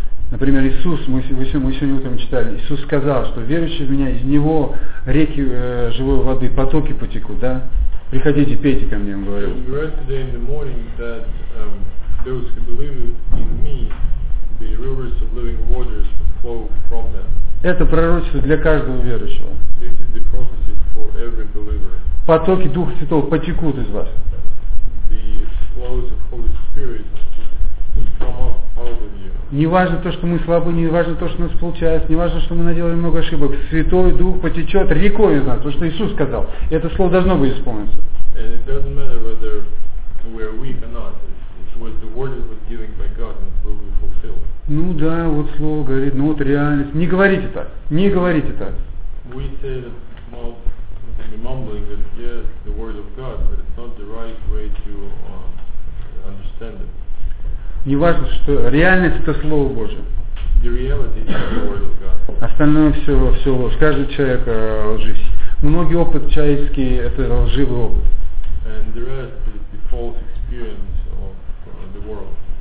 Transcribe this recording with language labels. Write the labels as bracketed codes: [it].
[ru] Например, Иисус, мы сегодня утром читали, Иисус сказал, что верующий в меня, из него реки живой воды, потоки потекут, да? Приходите, пейте ко мне, он говорил. [en] We read today in the morning that those who believe in me, the rivers of living waters would flow from them. [ru] Это пророчество для каждого верующего. [en] This is the prophecy for every believer. [ru] Потоки Духа Святого потекут из вас. [en] The flows of Holy Spirit would come up out of you. [ru] Не важно то, что мы слабы, не важно то, что у нас получается, не важно, что мы наделали много ошибок. Святой Дух потечет рекой из нас, то, что Иисус сказал. Это слово должно быть исполнено. [en] And it doesn't matter whether we are weak or not. It was the word that was given by God and it will be fulfilled. [ru] Ну да, вот слово говорит, ну вот реальность. Не говорите так, не говорите так. [en] We say that, well, the mumbling that yes, the word of God, but it's not the right way to understand it. [ru] Не важно, что реальность – это Слово Божие. [en] The reality is the word of God. [ru] Остальное все ложь. Каждый человек лживый. Многие опыт человеческий – это лживый опыт. [en] And the rest is the false experience of the world.